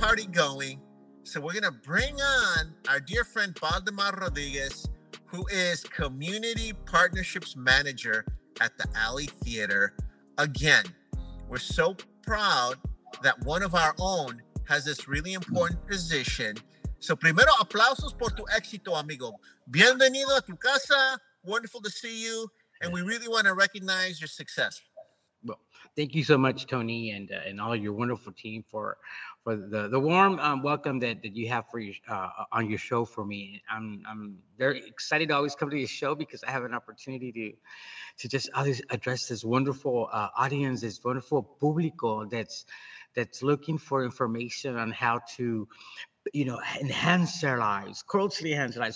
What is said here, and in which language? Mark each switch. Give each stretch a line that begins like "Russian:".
English: Going. So we're going to bring on our dear friend, Valdemar Rodriguez, who is Community Partnerships Manager at the Alley Theater. Again, we're so proud that one of our own has this really important position.
Spanish: So primero, aplausos por tu éxito, amigo. Bienvenido a tu casa.
English: Wonderful to see you. And we really want to recognize your success. Well, thank you so much, Tony, and all your wonderful team for the warm welcome that you have for your, on your show for me. I'm very excited to always come to your show because I have an opportunity to just always address this wonderful audience, this wonderful público that's looking for information on how to, you know, enhance their lives, culturally enhance their lives.